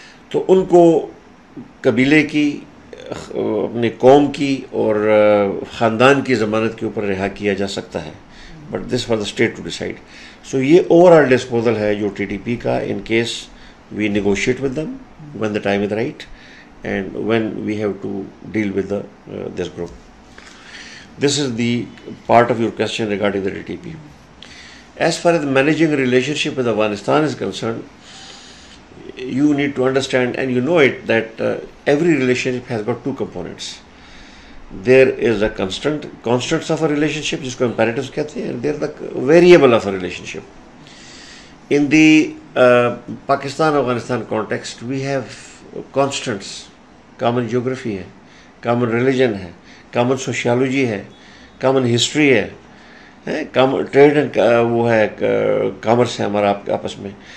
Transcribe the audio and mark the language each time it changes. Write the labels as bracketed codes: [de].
[ur] تو ان کو قبیلے کی, اپنی قوم کی اور خاندان کی ضمانت کے اوپر رہا کیا جا سکتا ہے, [en] But this for the state to decide. [ur] سو یہ اوور آل ڈسپوزل ہے جو ٹی ٹی پی کا, [en] In case we negotiate with them when the time is right and when we have to deal with this group. This is the part of your question regarding the T T P. As far as managing relationship with Afghanistan is concerned, you need to understand and you know it that every relationship has got two components. There is a constants of a relationship [ur] جس کو imperative کہتے ہیں, [en] There the variable of a relationship. In the Pakistan Afghanistan context we have constants, common geography ہے, common religion ہے, common sociology ہے, common history ہے, trade and وہ ہے, [ur] کامرس ہے ہمارا آپس میں.